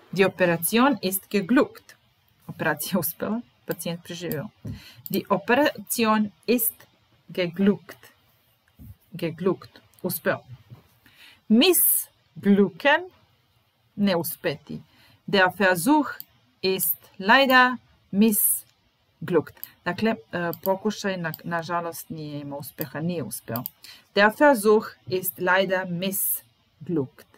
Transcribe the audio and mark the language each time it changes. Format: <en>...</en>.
<de>Die Operation ist geglückt.</de> <sr>Operacija uspela, pacijent preživio.</sr> <de>Die Operation ist geglückt. Geglückt. Uspeo. Miss Glücken.</de> <sr>Ne uspeti.</sr> <de>Der Versuch ist leider missglückt.</de> <sr>Dakle, pokušaj, nažalost, nije imao uspeha, nije uspeo.</sr> <de>Der Versuch ist leider missglückt.</de>